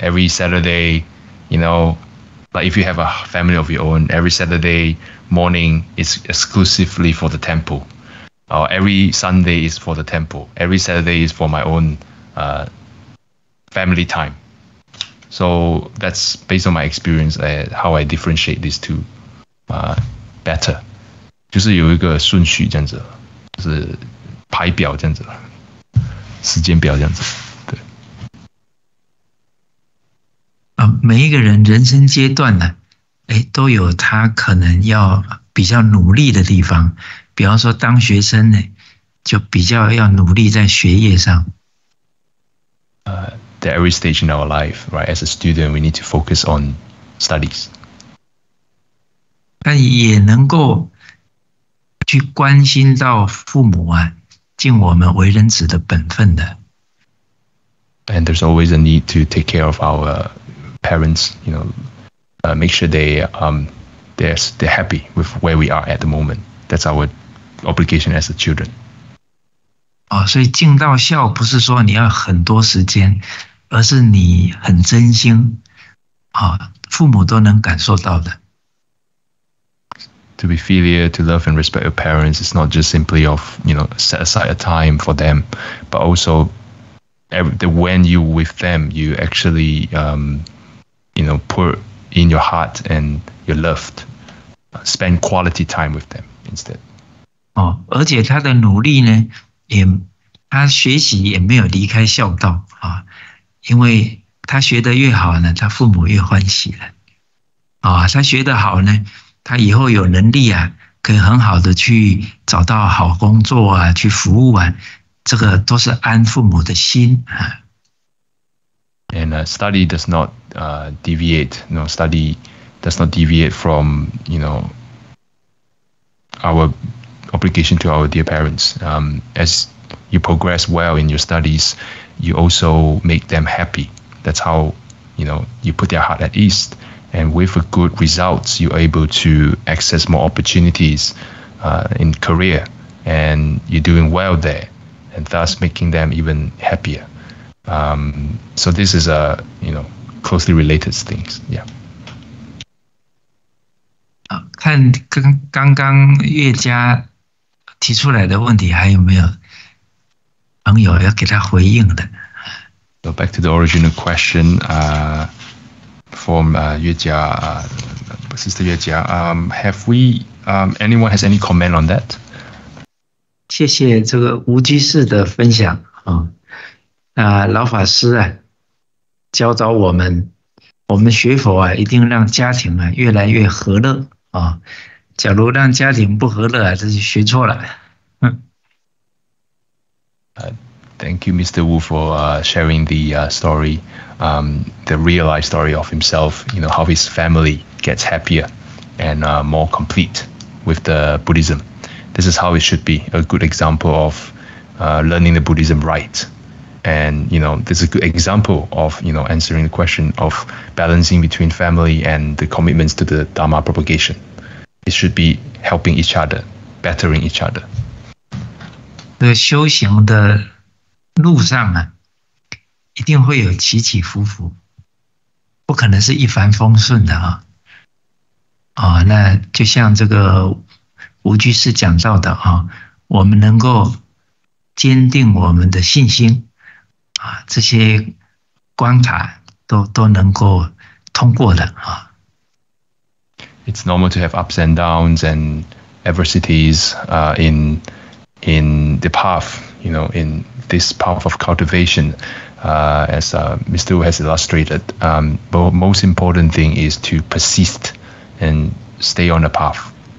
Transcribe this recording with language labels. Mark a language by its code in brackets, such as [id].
[en] Every Saturday, you know, like if you have a family of your own, every Saturday morning is exclusively for the temple. Or every Sunday is for the temple. Every Saturday is for my own family time. So that's based on my experience, how I differentiate these two better. [zh] 就是有一个顺序这样子。是排表这样子，时间表这样子，对。啊，每一个人人生阶段呢，哎，都有他可能要比较努力的地方。比方说，当学生呢，就比较要努力在学业上。 [en] At every stage in our life, right? As a student, we need to focus on studies. [zh] 但也能够。去关心到父母啊，尽我们为人子的本分的。 [en] And there's always a need to take care of our parents, you know, make sure they're happy with where we are at the moment. That's our obligation as a children. [zh] 哦，所以敬到孝不是说你要很多时间，而是你很真心，啊，父母都能感受到的。 [en] To be filial, to love and respect your parents, it's not just simply of, you know, set aside a time for them, but also when you're with them, you actually, you know, put in your heart and your love, spend quality time with them instead. [zh] 哦，而且他的努力呢，也他学习也没有离开孝道啊，因为他学得越好呢，他父母越欢喜了。啊，他学得好呢。他以后有能力啊，可以很好的去找到好工作啊，去服务啊，这个都是安父母的心啊。 [en] And study does not deviate. No, study does not deviate from you know our obligation to our dear parents. As you progress well in your studies, you also make them happy. That's how you know you put their heart at ease. And with a good result, you're able to access more opportunities in career. And you're doing well there. And thus making them even happier. So this is a, you know, closely related things. Yeah. [zh] 看刚刚乐嘉提出来的问题，还有没有朋友要给他回应的 [en] ？So back to the original question, from 乐嘉 Sister 乐嘉 have we, anyone has any comment on that? [zh] 谢谢这个无居士的分享啊，那老法师啊，教导我们，我们学佛啊，一定让家庭啊越来越和乐。哦、假如让家庭不和乐、啊、这就学错了、 [en] Thank you Mr. Wu for sharing the story the real life story of himself, you know, how his family gets happier and more complete with the Buddhism. This is how it should be, a good example of learning the Buddhism right. And you know, this is a good example of, you know, answering the question of balancing between family and the commitments to the Dharma propagationIt should be helping each other, bettering each other. [zh] 这个修行的路上啊，一定会有起起伏伏，不可能是一帆风顺的啊。啊、哦，那就像这个吴居士讲到的啊，我们能够坚定我们的信心啊，这些关卡都能够通过的啊。 [en] It's normal to have ups and downs and adversities in the path, you know, in this path of cultivation, as Mr. Wu has illustrated. But most important thing is to persist and stay on the path.